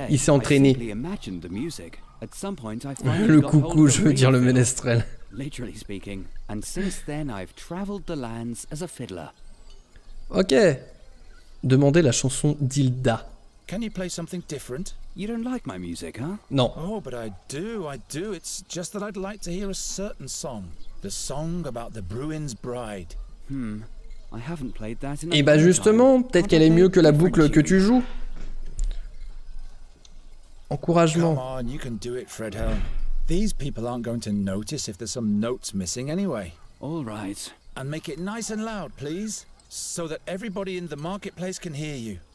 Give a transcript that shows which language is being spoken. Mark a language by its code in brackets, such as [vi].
[fr] il s'est entraîné. Le coucou, je veux dire le ménestrel. [en] literally speaking. And since then, I've traveled the lands as a fiddler. [fr] Ok. Demandez la chanson d'Hilda. [en] Can you play something different? You don't like my music, huh? [fr] Non. [en] Oh, but I do, it's just that I'd like to hear a certain song. The song about the Bruin's bride. Hmm, I haven't played that in [fr] a... Et bah justement, peut-être qu'elle est mieux que la boucle que tu joues. Encouragement. [en] Come on, you can do it, Fredhelm. These people aren't going to notice if there's some notes missing anyway. All right. And make it nice and loud, please, so that everybody in the marketplace can hear you.